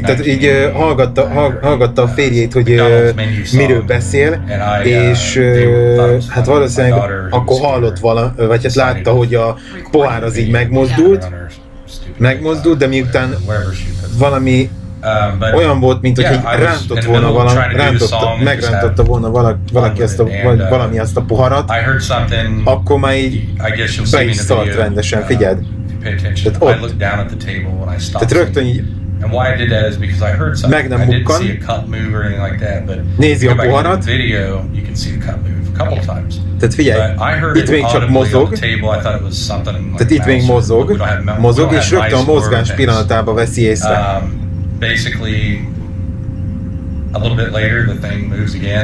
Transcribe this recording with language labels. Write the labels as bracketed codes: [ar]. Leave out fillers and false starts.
[hu] Tehát így hallgatta a férjét, hogy miről beszél, és hát valószínűleg akkor hallott valamit, vagy hát látta, hogy a pohár az így megmozdult, de miután valami olyan volt, mint hogy rántott volna megrántotta volna valaki azt a poharat, akkor már így be is szart rendesen, figyeld. [en] I looked down at the table when I stopped. And why I did that is because I heard something. I didn't see a cup move or anything like that, but [hu] nézi a poharat. [en] In the video, you can see the cup move a couple times. [hu] Tehát figyelj, [en] I heard [hu] itt még csak mozog. Tehát itt még mozog. Mozog, és rögtön a mozgás pillanatában veszi észre. [en] Basically, a little bit later, the thing moves again.